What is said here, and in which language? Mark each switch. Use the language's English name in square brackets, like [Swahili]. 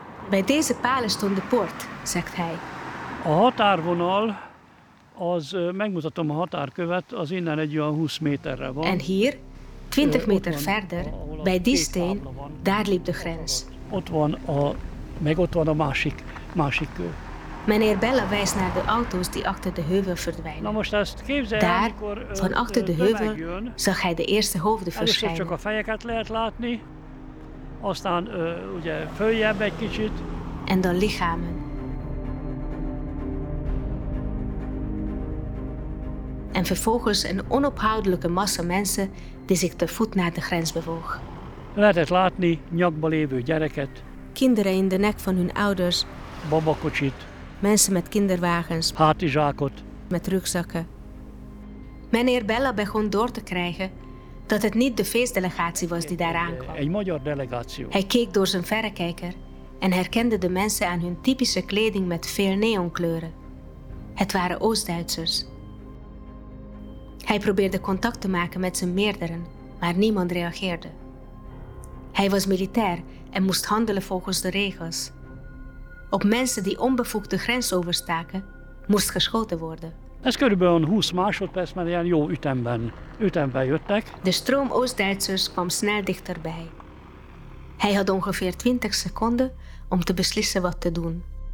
[Dutch] Bij deze palen stond de poort, zegt hij. [Hungarian] A határvonal, az megmutatom a határkövet, az innen egy olyan 20 méterre van. [Dutch] En hier, 20 meter verder, bij die steen, daar liep de grens. [Hungarian] Ott van a, meg ott van a másik kő. [Dutch] Meneer Bella wijst naar de auto's die achter de heuvel verdwijnen. [Hungarian] Na most ezt képzelj, daar, amikor, [Dutch] van achter de heuvel, jön, zag hij de eerste hoofden verschijnen. [Hungarian] Csak a fejeket lehet látni, aztán ugye följebb egy kicsit. [Dutch] En dan lichamen. En vervolgens een onophoudelijke massa mensen die zich te voet naar de grens bewoog. [Hungarian] Lehetett látni nyakba lévő gyereket. [Dutch] Kinderen in de nek van hun ouders. [Hungarian] Babakocsit. [Dutch] Mensen met kinderwagens, [Hungarian] hátizsákot, [Dutch] met rugzakken. Meneer Bella begon door te krijgen dat het niet de feestdelegatie was die daar aankwam. [Hungarian] Egy magyar delegáció. [Dutch] Hij keek door zijn verrekijker en herkende de mensen aan hun typische kleding met veel neonkleuren. Het waren Oost-Duitsers. Hij probeerde contact te maken met zijn meerderen, maar niemand reageerde. Hij was militair en moest handelen volgens de regels. Op mensen die onbevoegd de grens overstaken, moest geschoten worden. [Hungarian] Ez körülbelül 20 másodperc, mert ilyen jó ütemben jöttek. [Dutch] De stroom Oost-Duitsers kwam snel dichterbij. Hij had ongeveer 20 seconden om te beslissen wat te doen.